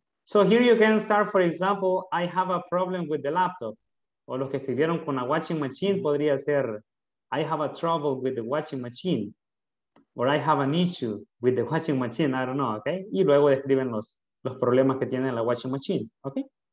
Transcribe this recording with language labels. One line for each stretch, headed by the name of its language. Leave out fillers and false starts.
English: So, here you can start, for example, I have a problem with the laptop.
Spanish: O los que escribieron con la washing machine, mm-hmm. podría ser,
English: I have a trouble with the washing machine. Or I have an issue with the washing machine, I don't know, okay?
Spanish: Y luego describen los problemas que tiene la washing machine, okay?